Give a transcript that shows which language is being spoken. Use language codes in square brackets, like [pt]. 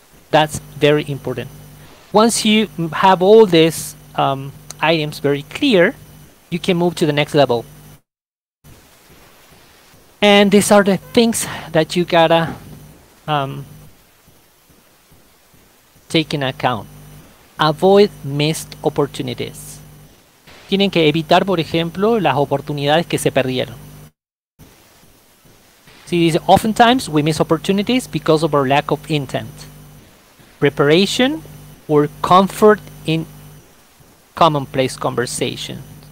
[en] That's very important. Once you have all these items very clear, you can move to the next level. And these are the things that you gotta take in account. Avoid missed opportunities. [es] Tienen que evitar, por ejemplo, las oportunidades que se perdieron. [en] See, this, oftentimes we miss opportunities because of our lack of intent, preparation, or comfort in commonplace conversation.